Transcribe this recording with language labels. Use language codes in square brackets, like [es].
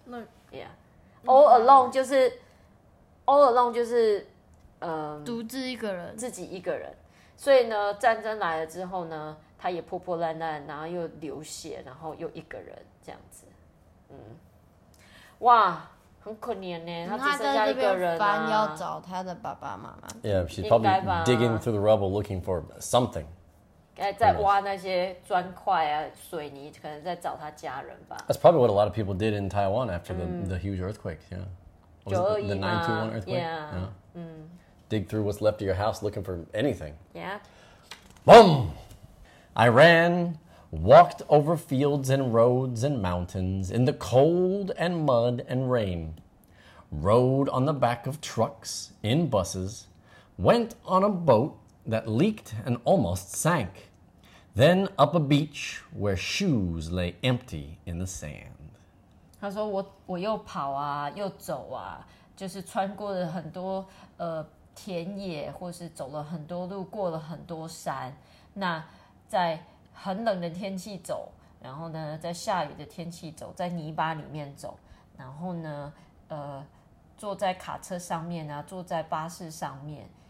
[zh] 那 [en] yeah, all alone [zh] 就是 [en] all alone 就是 [zh] 独自一个人，自己一个人。所以呢，战争来了之后呢，他也破破烂烂，然后又流血，然后又一个人这样子。嗯，哇，很可怜呢，他只剩下一个人啊。翻要找他的爸爸妈妈。 [en] Yeah, she's probably digging through the rubble looking for something. [zh] 在挖那些砖块啊、水泥，可能在找他家人吧。 [en] That's probably what a lot of people did in Taiwan after the huge earthquake. Yeah, 921 earthquake. Yeah. Dig through what's left of your house looking for anything. Yeah. Boom! I ran, walked over fields and roads and mountains in the cold and mud and rain. Rode on the back of trucks in buses. Went on a boat. That leaked and almost sank. Then up a beach where shoes lay empty in the sand. [zh] 他说我又跑啊，又走啊，就是穿过了很多田野，或是走了很多路，过了很多山。那在很冷的天气走，然后呢，在下雨的天气走，在泥巴里面走，然后呢，坐在卡车上面啊，坐在巴士上面。